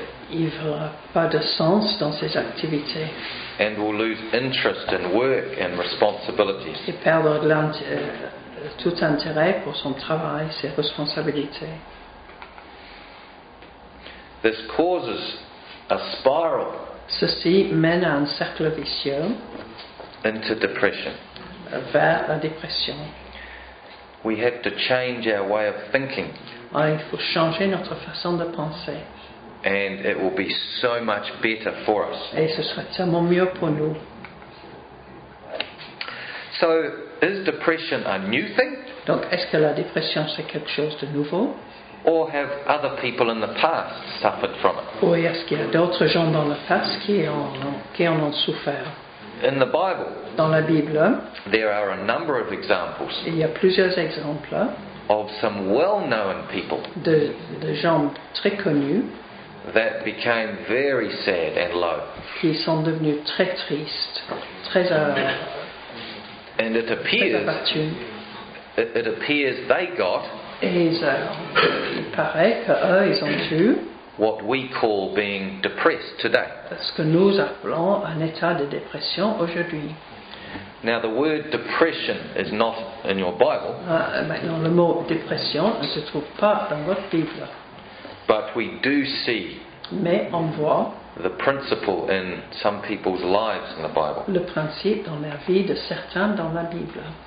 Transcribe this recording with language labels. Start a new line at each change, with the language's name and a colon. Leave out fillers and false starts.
French: Il verra pas de sens dans ses activités.
English: And will lose interest in work and responsibilities.
French: Il perdra tout intérêt pour son travail, ses responsabilités.
English: This causes a spiral.
French: Ceci mène à un cercle vicieux.
English: Into depression.
French: Vers la dépression.
English: We have to change our way of thinking.
French: Il faut changer notre façon de penser.
English: And it will be so much better for us.
French: Et ce sera tellement mieux pour nous.
English: So, is depression a new thing?
French: Donc, est-ce que la dépression c'est quelque chose de nouveau?
English: Or have other people in the past suffered from it?
French: Ou est-ce qu'il y a d'autres gens dans le passé qui en ont souffert?
English: In the Bible,
French: dans la Bible,
English: there are a number of examples.
French: Il y a plusieurs exemples
English: of some well-known people
French: de gens très connus
English: that became very sad and low.
French: Qui sont devenus très tristes, très
English: and it appears,
French: très abattus.
English: It appears they got.
French: Il paraît que eux ils ont eu.
English: What we call being depressed today.
French: Ce que nous appelons un état de dépression aujourd'hui.
English: Now the word depression is not in your Bible.
French: Maintenant le mot dépression ne se trouve pas dans votre Bible.
English: But we do see.
French: Mais on voit.
English: The principle in some people's lives in the Bible.
French: Le principe dans la vie de certains dans la Bible.